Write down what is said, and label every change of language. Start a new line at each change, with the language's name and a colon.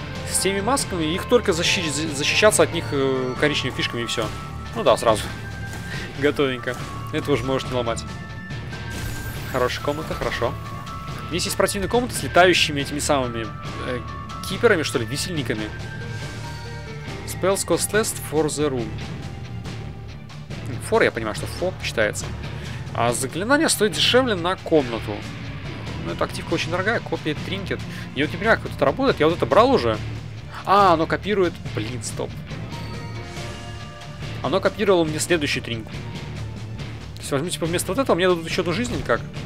Russian: С теми масками, их только защищаться от них коричневыми фишками и все. Ну да, сразу. Готовенько. Это уже можешь не ломать. Хорошая комната, хорошо. Здесь есть противные комнаты с летающими этими самыми киперами, что ли, висельниками.
English: Spells cost less for the room.
Russian: For, я понимаю, что for считается. А заклинание стоит дешевле на комнату. Ну, эта активка очень дорогая, копия тринкет. Я вот не понимаю, как это работает, я вот это брал уже. А, оно копирует, блин, стоп. Оно копировало мне следующую тринку. То есть, возьму, типа, вместо вот этого мне дадут еще одну жизнь, как?